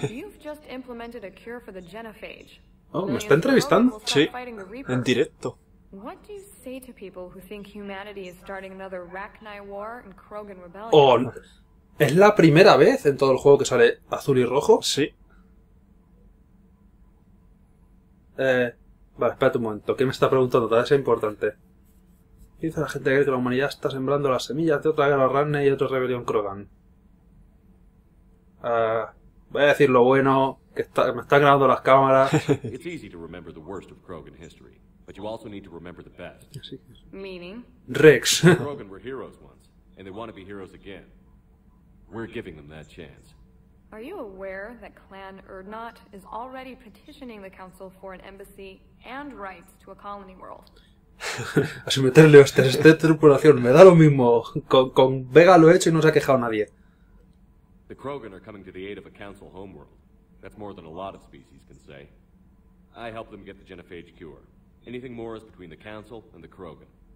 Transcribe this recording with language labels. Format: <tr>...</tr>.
<en>You've just implemented a cure for the genophage.</en> <es>Oh, ¿me está entrevistando? Sí, en directo.</es> <en>What do you say to people who think humanity is starting another Rachni war and Krogan rebellion? Oh, no.</en> <es>¿Es la primera vez en todo el juego que sale azul y rojo? Sí. Vale, espérate un momento. ¿Qué me está preguntando? Tal vez sea importante. ¿Qué dice la gente que la humanidad está sembrando las semillas de otra guerra Rachni y otra rebelión Krogan? Voy a decir lo bueno, que está, me están grabando las cámaras.</es> <en>It's easy to remember the worst of Krogan history. But you also need to remember the best. Meaning? Rex. Krogan were heroes once, and they want to be heroes again. We're giving them that chance. Are you aware that Clan Erdnot is already petitioning the Council for an embassy and rights to a colony world?</en> <es>Así meterle hostias a esta tripulación, me da lo mismo. Con Vega lo he hecho y no se ha quejado nadie.</es> <en>The Krogan are coming to the aid of a Council homeworld. That's more than a lot of species can say. I help them get the genophage cure. Anything more is between the Council and the Krogan.</en>